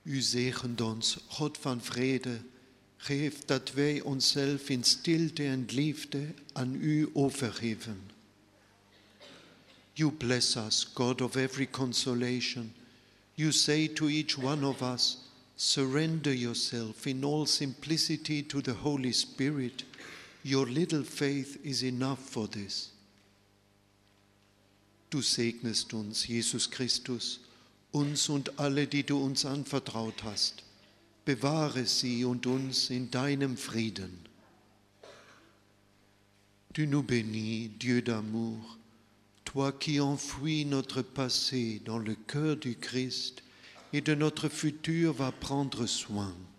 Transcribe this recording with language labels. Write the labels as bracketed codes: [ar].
[de] Segend uns, [nl] God van vrede, geef dat wij onszelf in stilte en liefde aan u overgeven. [en] You bless us, God of every consolation. You say to each one of us, surrender yourself in all simplicity to the Holy Spirit. Your little faith is enough for this. [de] Du segnest uns, Jesus Christus, uns und alle, die du uns anvertraut hast. Bewahre sie und uns in deinem Frieden. [fr] Tu nous bénis, Dieu d'amour, toi qui enfouis notre passé dans le cœur du Christ et de notre futur va prendre soin.